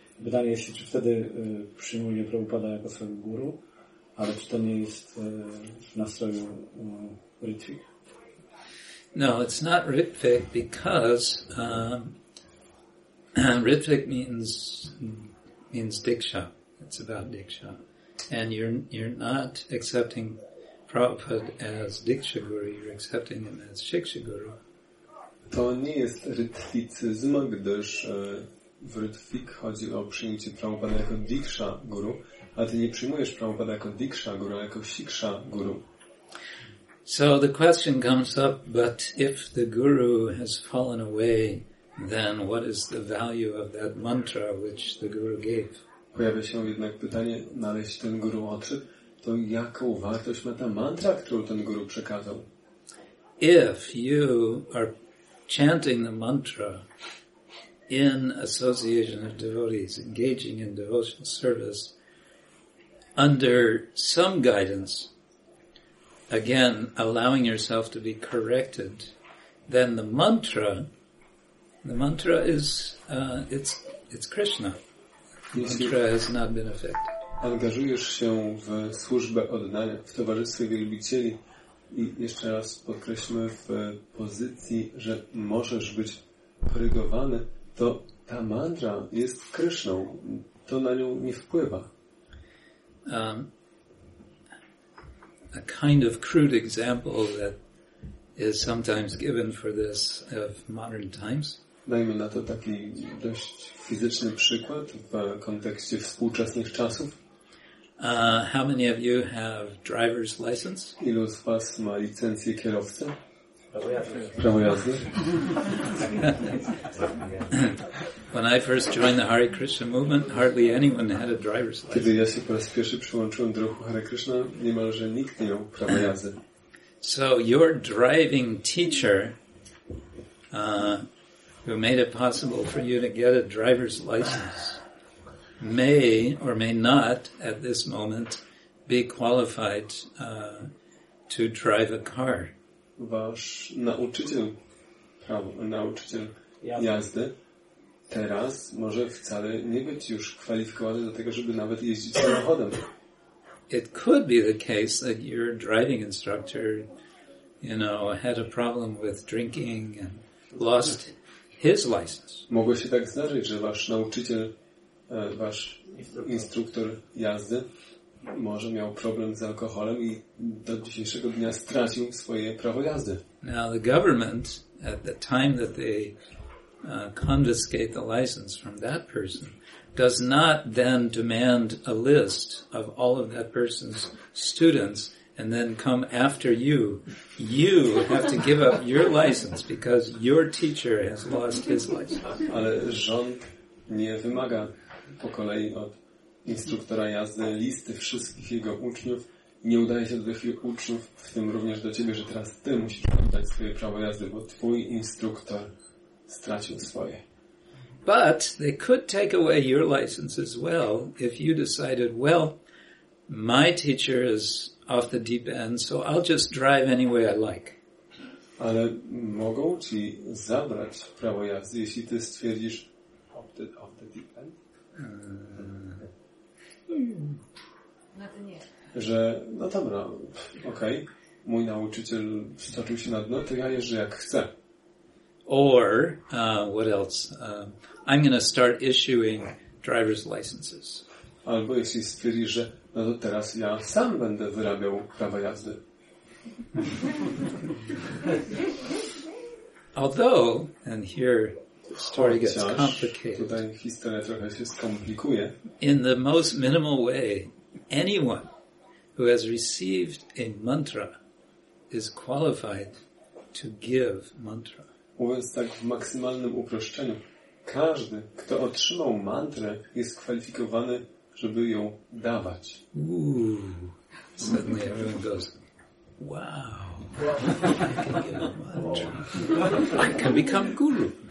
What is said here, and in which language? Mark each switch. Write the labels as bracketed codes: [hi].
[pl] Pytanie jest, czy wtedy przyjmuje Prabhupada jako swojego guru, ale czy to nie jest w nastroju Ritvik? [en] No, it's not Ritvik because Ritvik means diksha. It's about diksha, and you're not accepting Prabhupada as Diksha Guru, you're accepting him as Shiksha Guru. [pl] To nie jest rytwicyzm, gdyż w rytwik chodzi o przyjęcie Prabhupada jako Diksha Guru, ale ty nie przyjmujesz Prabhupada jako Diksha Guru, ale jako Shiksha Guru. [en] So the question comes up, but if the guru has fallen away, then what is the value of that mantra which the guru gave? [pl] Pojawia się jednak pytanie, no ale jeśli ten guru odszedł, to jaką wartość ma ta mantra, którą ten guru przekazał? [en] If you are chanting the mantra in association of devotees, engaging in devotional service, under some guidance, again, allowing yourself to be corrected, then the mantra is it's Krishna. Mantra has not been affected. [pl] Angażujesz się w służbę oddania, w towarzystwie wielbicieli i jeszcze raz podkreślmy w pozycji, że możesz być korygowany, to ta mantra jest Krishną. To na nią nie wpływa. [en] A kind of crude example that is sometimes given for this of modern times. [pl] Dajmy na to taki dość fizyczny przykład w kontekście współczesnych czasów. [en] How many of you have driver's license? [pl] Ilu z was ma licencję kierowcy? Prawo jazdy. [en] When I first joined the Hare Krishna movement, hardly anyone had a driver's license. [pl] Kiedy ja się po raz pierwszy przyłączyłem do ruchu Hare Krishna, niemalże nikt nie miał prawa jazdy. [en] So your driving teacher, who made it possible for you to get a driver's license, may or may not at this moment be qualified to drive a car. [pl] Wasz nauczyciel jazdy teraz może wcale nie być już kwalifikowany do tego, żeby nawet jeździć samochodem. [en] It could be the case that your driving instructor, you know, had a problem with drinking and lost his license. [pl] Mogło się tak zdarzyć, że wasz nauczyciel, wasz instruktor jazdy może miał problem z alkoholem i do dzisiejszego dnia stracił swoje prawo jazdy. [en] Now the government, at the time that they confiscate the license from that person, does not then demand a list of all of that person's students and then come after you. You have to give up your license because your teacher has lost his license. [pl] Ale rząd nie wymaga po kolei od instruktora jazdy listy wszystkich jego uczniów. Nie udaje się do tych uczniów, w tym również do ciebie, że teraz ty musisz oddać swoje prawo jazdy, bo twój instruktor stracił swoje. [en] But they could take away your license as well if you decided, well, my teacher is off the deep end, so I'll just drive any way I like. [pl] Ale mogą ci zabrać prawo jazdy, jeśli ty stwierdzisz [en] off the deep end? [pl] Że, no dobra, okej, mój nauczyciel stoczył się na dno, to ja jeżdżę jak chcę. [en] Or, what else? I'm going to start issuing driver's licenses. [pl] Albo jeśli stwierdzisz, że no to teraz ja sam będę wyrabiał prawa jazdy. [en] Although, and here the story gets complicated. [pl] Tutaj historia trochę się skomplikuje. [en] In the most minimal way, anyone who has received a mantra is qualified to give mantra. [pl] Mówiąc tak w maksymalnym uproszczeniu, każdy, kto otrzymał mantrę, jest kwalifikowany, żeby ją dawać. [en] Suddenly everyone goes, wow, I can become guru.